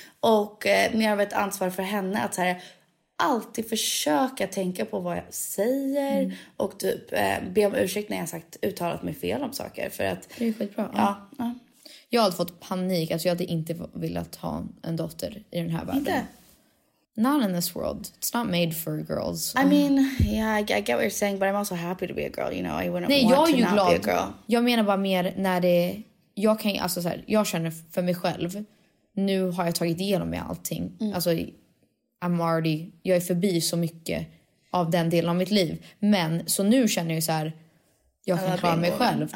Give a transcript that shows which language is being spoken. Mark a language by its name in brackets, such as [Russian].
[Swedish] Och mer av ett ansvar för henne att så här, alltid försöka tänka på vad jag säger och typ be om ursäkt när jag sagt uttalat mig fel om saker. För att, det är skitbra. Ja. Ja. Jag hade fått panik. Alltså jag hade inte velat ha en dotter i den här världen. Inte. [English] Not in this world. It's not made for girls. I mean, yeah, I get what you're saying, but I'm also happy to be a girl, you know. I wouldn't want to not be a girl. [Swedish] Jag menar bara mer när det... Jag kan, alltså så här, jag känner för mig själv, nu har jag tagit igenom med allting. Mm. Alltså, jag är förbi så mycket av den delen av mitt liv. Men, så nu känner jag så här, jag kan klara mig själv.